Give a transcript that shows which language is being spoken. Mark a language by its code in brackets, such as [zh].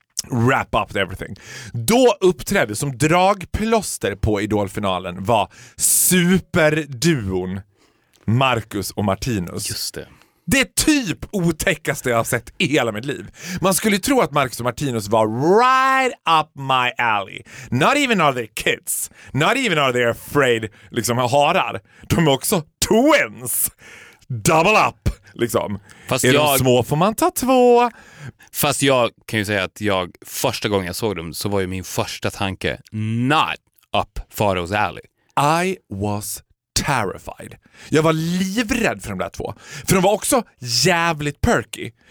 [en] Wrap up everything. [sv] Då uppträdde som dragplåster på Idolfinalen var superduon Marcus och Martinus. Just det. Det typ otäckaste jag har sett i hela mitt liv. Man skulle tro att Marcus och Martinus var [en] right up my alley. Not even are they kids. Not even are they afraid [sv] liksom harar. De är också twins. [en] Double up [sv] liksom. Fast är jag... de små får man ta två. Fast jag kan ju säga att jag första gången jag såg dem så var ju min första tanke [en] not up Faro's alley. I was terrified. [sv] Jag var livrädd för de där två. För de var också jävligt perky.